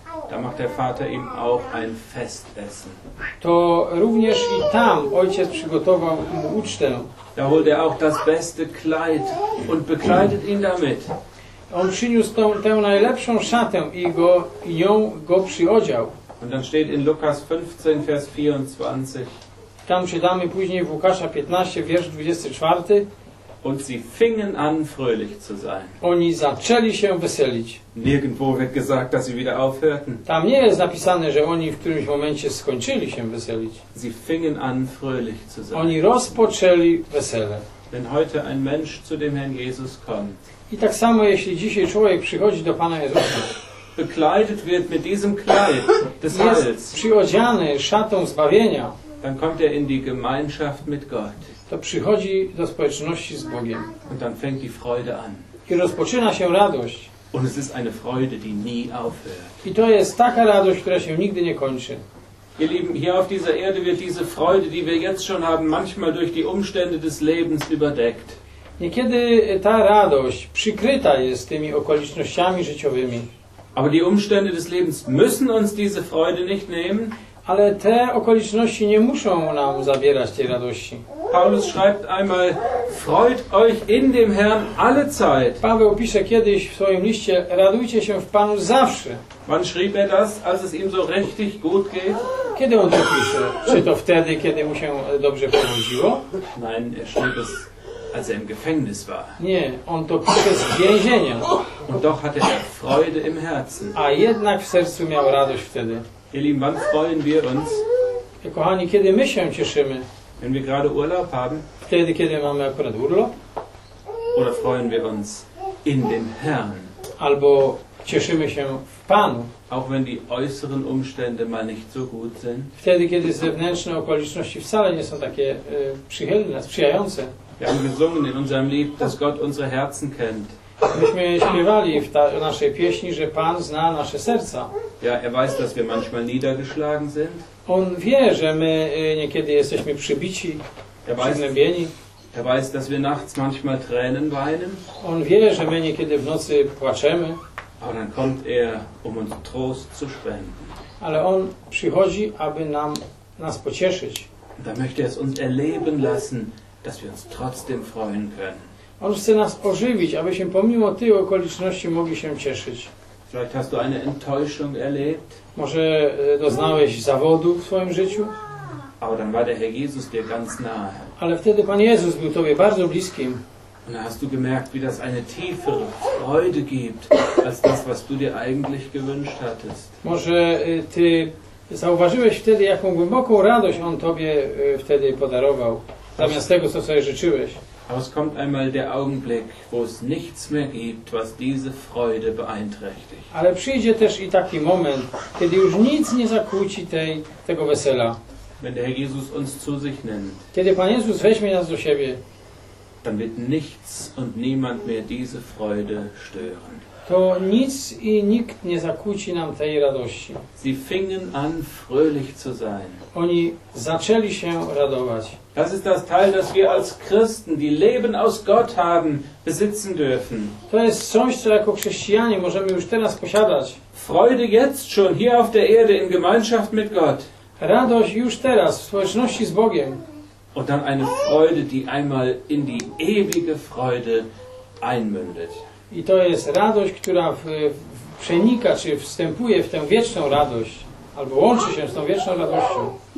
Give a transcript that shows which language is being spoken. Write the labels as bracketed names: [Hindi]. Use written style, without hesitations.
[German] da macht der Vater ihm auch ein Festessen. [Polish] To również i tam ojciec przygotował mu ucztę. [German] Da holt er auch das beste Kleid und bekleidet ihn damit. [Polish] On przyniósł tę najlepszą szatę i nią go przyodział. [German] Und dann steht in Lukas 15, Vers 24. [Polish] Tam czytamy później w Łukasza 15, wiersz 24. [German] Und sie fingen an, fröhlich zu sein. [Polish] Oni zaczęli się weselić. [German] Nirgendwo wird gesagt, dass sie wieder aufhörten. [Polish] Tam nie jest napisane, że oni w którymś momencie skończyli się weselić. [German] Sie fingen an, fröhlich zu sein. [Polish] Oni rozpoczęli wesele. [German] Wenn heute ein Mensch zu dem Herrn Jesus kommt. [Polish] I tak samo, jeśli dzisiaj człowiek przychodzi do Pana Jezusa. [German] Bekleidet wird mit diesem Kleid des Heils. [Polish] Jest przyodziany szatą zbawienia. [German] Dann kommt in die Gemeinschaft mit Gott. [Polish] To przychodzi do społeczności z Bogiem. [German] Und dann fängt die Freude an. [Polish] I rozpoczyna się radość. [German] Und es ist eine Freude, die nie aufhört. [Polish] I to jest taka radość, która się nigdy nie kończy. [German] Ihr Lieben, hier auf dieser Erde wird diese Freude, die wir jetzt schon haben, manchmal durch die Umstände des Lebens überdeckt. [Polish] Niekiedy ta radość przykryta jest tymi okolicznościami życiowymi. [German] Aber die Umstände des Lebens müssen uns diese Freude nicht nehmen. [Polish] Ale te okoliczności nie muszą nam zabierać tej radości. [German] Paulus schreibt einmal: Freut euch in dem Herrn alle Zeit. [Polish] Paweł pisze kiedyś w swoim liście: Radujcie się w Panu zawsze. [German] Wann schrieb er das, als es ihm so richtig gut geht? [Polish] Kiedy on to pisze? Czy to wtedy, kiedy mu się dobrze powodziło? [German] Nein, er schrieb es als er im Gefängnis war. [Polish] Nie, on to przez więzienia. [German] Und doch hatte er Freude im Herzen. [Polish] A jednak w sercu miał radość wtedy. [German] Ihr Lieben, wann freuen wir uns? [Polish] Kochani, kiedy my się cieszymy? [German] Wenn wir gerade Urlaub haben? [Polish] Wtedy, kiedy mamy akurat urlop? [German] Oder freuen wir uns in dem Herrn? [Polish] Albo cieszymy się w Panu. [German] Auch wenn die äußeren Umstände mal nicht so gut sind. [Polish] Wtedy, kiedy zewnętrzne okoliczności wcale nie są takie przychylne, sprzyjające. [German] Wir haben gesungen in unserem Lied, dass Gott unsere Herzen kennt. [Polish] Myśmy śpiewali w naszej pieśni, że Pan zna nasze serca. [German] Ja, er weiß, dass wir manchmal niedergeschlagen sind. [Polish] On wie, że my niekiedy jesteśmy przybici, przygnębieni. [German] Er weiß, dass wir nachts manchmal Tränen weinen. [Polish] On wie, że my niekiedy w nocy płaczemy. [German] Aber dann kommt er, um uns Trost zu spenden. [Polish] Ale on przychodzi, aby nas pocieszyć. [German] Da möchte er es uns erleben lassen, dass wir uns trotzdem freuen können. [Polish] On chce nas ożywić, abyśmy pomimo tych okoliczności mogli się cieszyć. [German] Vielleicht hast du eine Enttäuschung erlebt. [Polish] Może doznałeś zawodu w swoim życiu. [German] Aber dann war der Herr Jesus dir ganz nahe. [Polish] Ale wtedy Pan Jezus był tobie bardzo bliskim. [German] Und hast du gemerkt, wie das eine tiefere Freude gibt, als das, was du dir eigentlich gewünscht hattest. [Polish] Może ty zauważyłeś wtedy, jaką głęboką radość on tobie wtedy podarował, zamiast tego, co sobie życzyłeś. [German] Aber es kommt einmal der Augenblick, wo es nichts mehr gibt, was diese Freude beeinträchtigt. [Polish] Ale przyjdzie też i taki moment, kiedy już nic nie zakłóci tego wesela. [German] Wenn der Herr Jesus uns zu sich nennt. [Polish] Kiedy Pan Jezus weźmie nas do siebie. [German] Dann wird nichts und niemand mehr diese Freude stören. [Polish] To nic i nikt nie zakłóci nam tej radości. [German] Sie fingen an, fröhlich zu sein. [Polish] Oni zaczęli się radować. [German] Das ist das Teil, das wir als Christen, die Leben aus Gott haben, besitzen dürfen. [Polish] To jest coś, co jako chrześcijanie możemy już teraz posiadać. [German] Freude jetzt schon hier auf der Erde in Gemeinschaft mit Gott. [Polish] Radość już teraz w społeczności z Bogiem. [German] Und dann eine Freude, die einmal in die ewige Freude einmündet. [Polish] I to jest radość, która przenika, czy wstępuje w tę wieczną radość, albo łączy się z tą wieczną radością.